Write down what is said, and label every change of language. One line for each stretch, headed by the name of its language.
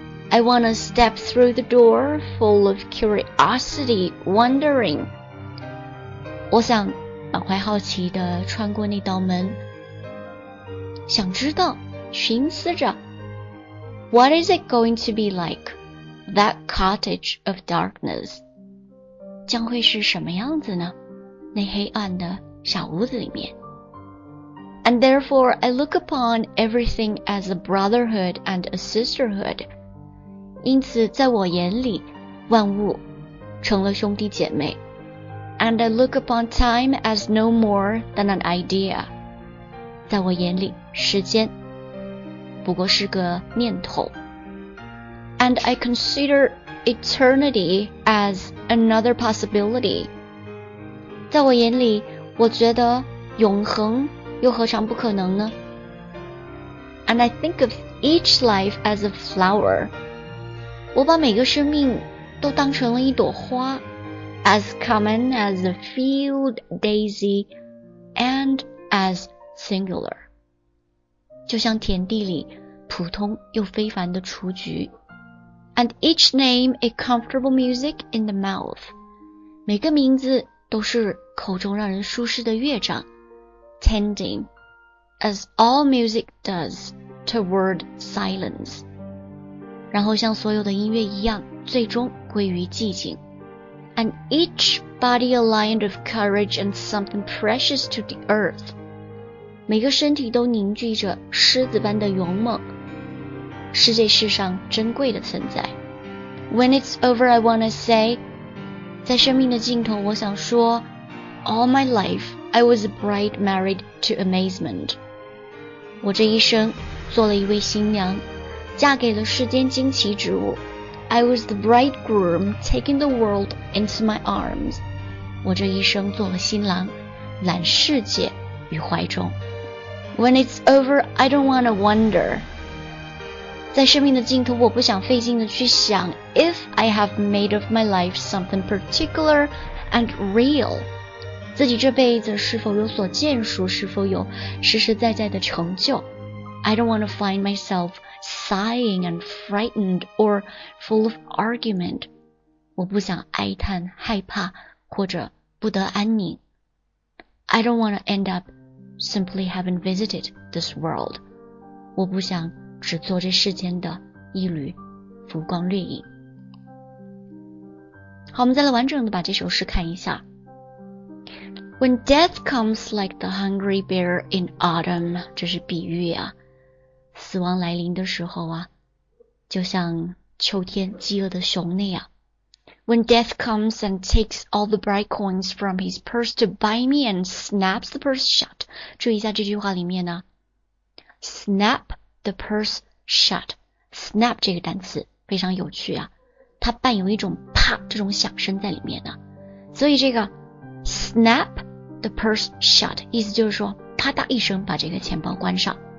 English: I wanna step through the door full of curiosity, wondering。
Chinese: 我想满怀好奇地穿过那道门，想知道，寻思着。
English: What is it going to be like, that cottage of darkness?
Chinese: 将会是什么样子呢？那黑暗的小屋子里面。
English: And therefore, I look upon everything as a brotherhood and a sisterhood.
Chinese: 因此在我眼里，万物成了兄弟姐妹。
English: And I look upon time as no more than an idea.
Chinese: 在我眼里，时间不过是个念头。
English: And I consider eternity as another possibility.
Chinese: 在我眼里，我觉得永恒又何尝不可能呢？
English: And I think of each life as a flower.
Chinese: 我把每个生命都当成了一朵花。
English: As common as a field daisy and as singular.
Chinese: 就像田地里普通又非凡的雏菊。
English: And each name a comfortable music in the mouth.
Chinese: 每个名字都是口中让人舒适的乐章。
English: Tending, as all music does, toward silence.
Chinese: 然后像所有的音乐一样最终归于寂静。
English: And each body a lion of courage and something precious to the earth.
Chinese: 每个身体都凝聚着狮子般的勇猛，是这世上珍贵的存在。
English: When it's over, I wanna say,
Chinese: 在生命的尽头，我想说
English: All my life, I was a bride married to amazement.
Chinese: 我这一生做了一位新娘，嫁给了世间惊奇之物。
English: I was the bridegroom taking the world into my arms.
Chinese: 我这一生做了新郎，揽世界于怀中。
English: When it's over, I don't wanna wonder.
Chinese: 在生命的尽头，我不想费劲的去想
English: if I have made of my life something particular and real.
Chinese: 自己这辈子是否有所建树，是否有实实在在的成就。
English: I don't wanna find myself sighing and frightened or full of argument.
Chinese: 我不想哀叹害怕或者不得安宁。
English: I don't wanna end up simply having visited this world.
Chinese: 我不想只做这世间的一缕浮光掠影。好，我们再来完整的把这首诗看一下。
English: When death comes like the hungry bear in autumn,
Chinese: 这是比喻啊。死亡来临的时候啊，就像秋天饥饿的熊那样。
English: When death comes and takes all the bright coins from his purse to buy me and snaps the purse shut.
Chinese: 注意一下这句话里面呢。
English: Snap the purse shut.
Chinese: Snap 这个单词非常有趣啊。它伴有一种啪这种响声在里面呢。所以这个
English: snap the purse shut,
Chinese: 意思就是说啪嗒一声把这个钱包关上。